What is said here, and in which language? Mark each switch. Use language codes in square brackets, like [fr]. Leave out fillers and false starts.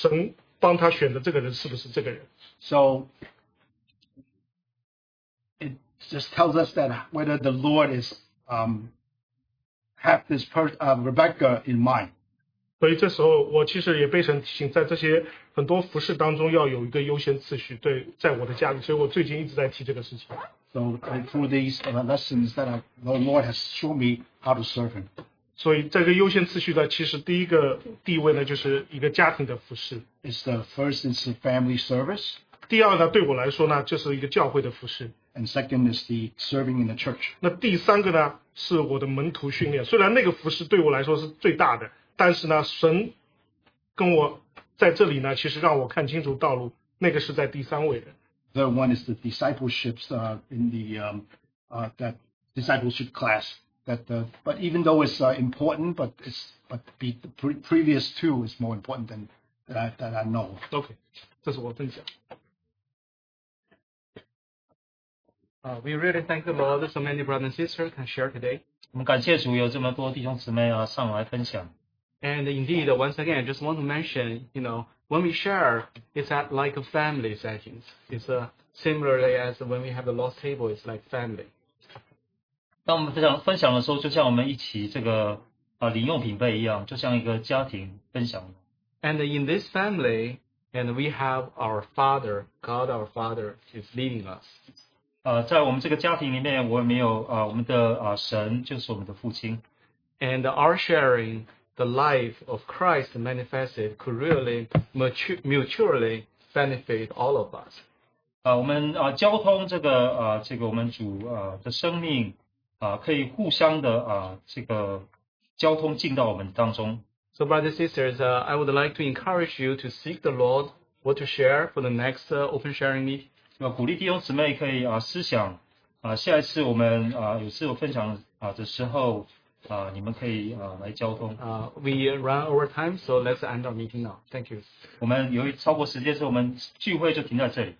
[zh] 是那个叫什么利百加，中文叫利百加，就是看到利百加的时候，他定睛看他一句话也不说，他没有说，就只需要看出这个神是不是神帮他选的这个人是不是这个人。So [en] it just tells us that whether the Lord is have this person Rebecca in mind. [zh] 所以这时候我其实也被神提醒，在这些很多服事当中要有一个优先次序，对，在我的家里，所以我最近一直在提这个事情。So [en] through these lessons that the Lord has shown me how to serve Him. [zh] 所以这个优先次序呢，其实第一个地位呢，就是一个家庭的服事。 [en] It's the first is the family service. [zh] 第二呢，对我来说呢，就是一个教会的服侍。 [en] And second is the serving in the church. [zh] 那第三个呢，是我的门徒训练。虽然那个服侍对我来说是最大的，但是呢，神跟我在这里呢，其实让我看清楚道路，那个是在第三位的。 [en] The one is the discipleship in the that discipleship class. But even though it's important, but the previous two is more important than that I know. [zh] Okay, 这是我分享。 [en] We really thank the Lord so many brothers and sisters can share today. [zh] 我们感谢主有这么多弟兄姊妹上来分享。 [en] And indeed, once again, I just want to mention, you know, when we share, it's at like a family settings. It's similarly as when we have the Lord's table, it's like family. [zh] 当我们分享的时候，就像我们一起这个领用品杯一样，就像一个家庭分享。 [en] And in this family, and we have our Father, God our Father is leading us. [zh] 在我们这个家庭里面，我们有我们的神就是我们的父亲。 [en] And our sharing. The life of Christ manifested could really mutually benefit all of us. [zh] 我们交通这个我们主的生命可以互相的这个交通进到我们当中。 [en] So, brothers and sisters, I would like to encourage you to seek the Lord what to share for the next open sharing meeting. [zh] 鼓励弟兄姊妹可以思想下一次我们有自由分享的时候。你们可以来交通。 [en] We run over time, so let's end our meeting now. Thank you. [zh] 我们由于超过时间，所以我们聚会就停在这里。